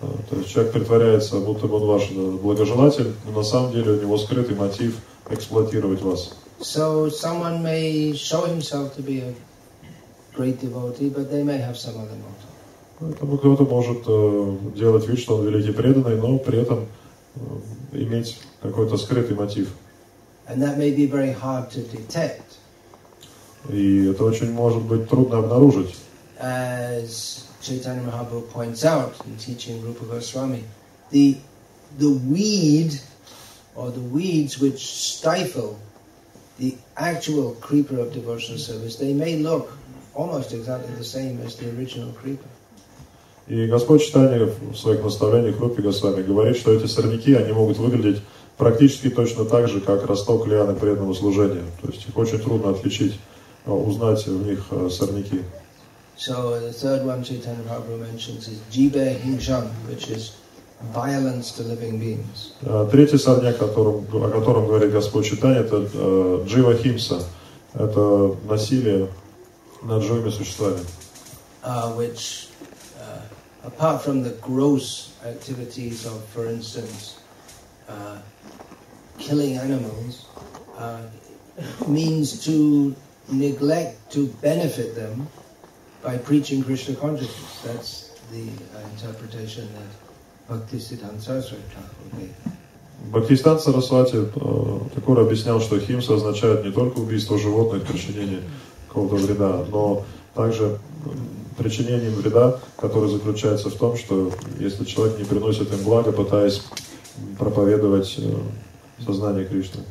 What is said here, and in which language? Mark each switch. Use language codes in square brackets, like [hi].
[ru] То есть человек притворяется, будто бы он ваш благожелатель, но на самом деле у него скрытый мотив эксплуатировать вас. [en] So someone may show himself to be a great devotee, but they may have some other motive. [ru] Поэтому кто-то может делать вид, что он великий преданный, но при этом иметь какой-то скрытый мотив. [en] And that may be very hard to detect. [ru] И это очень может быть трудно обнаружить. [en] As Chaitanya Mahaprabhu points out in teaching Rupa Goswami, the weed or the weeds which stifle the actual creeper of devotional service, they may look almost exactly the same as the original creeper. [ru] И Господь Чайтанья в своих наставлениях Рупе Госвами говорит, что эти сорняки, они могут выглядеть практически точно так же, как росток лианы преданного служения. То есть их очень трудно отличить, узнать в них сорняки. [en] So the third one Chaitanya Mahaprabhu mentions is jibe hingshan, which is violence to living beings. [ru] Третий сорняк, о котором говорит Господь Чайтанья, это джива химса. Это насилие над живыми существами. [en] Which apart from the gross activities of, for instance, killing animals, means to neglect to benefit them by preaching Krishna consciousness. That's the interpretation that Bhaktisiddhanta Saraswati Thakur gave. [ru] Бхактисиддханта Сарасвати Такура объяснял, что химса означает не только убийство животных, причинение какого-то вреда, но также причинение вреда, который заключается в том, что если человек не приносит им благо, пытаясь проповедовать сознание Кришны.